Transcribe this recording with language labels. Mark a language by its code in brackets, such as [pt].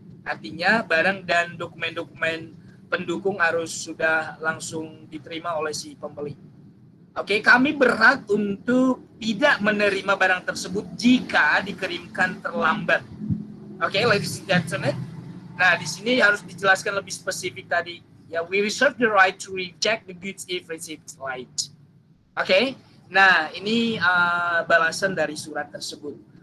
[id] Artinya barang dan dokumen-dokumen pendukung harus sudah langsung diterima oleh si pembeli. Oke, kami berhak untuk tidak menerima barang tersebut jika dikirimkan terlambat. Oke, [en] ladies and gentlemen. [id] Nah, di sini harus dijelaskan lebih spesifik tadi. [en] Ya, we reserve the right to reject the goods if received late. [id] Oke, nah ini balasan dari surat tersebut.